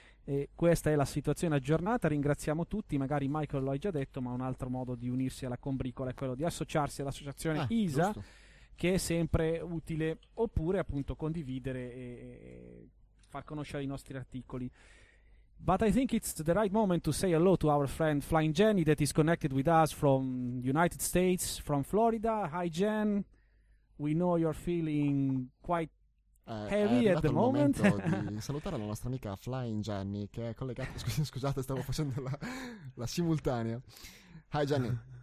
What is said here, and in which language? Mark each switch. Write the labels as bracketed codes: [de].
[it] E questa è la situazione aggiornata, ringraziamo tutti, magari Michael lo ha già detto, ma un altro modo di unirsi alla combricola è quello di associarsi all'associazione ISA, giusto, che è sempre utile, oppure appunto condividere e far conoscere i nostri articoli. [en] But I think it's the right moment to say hello to our friend Flying Jenny that is connected with us from United States, from Florida. Hi Jen, we know you're feeling quite heavy at the moment. [it] Di salutare la nostra amica Flying Jenny che è collegata, scusate stavo facendo la simultanea. [en] Hi Jenny.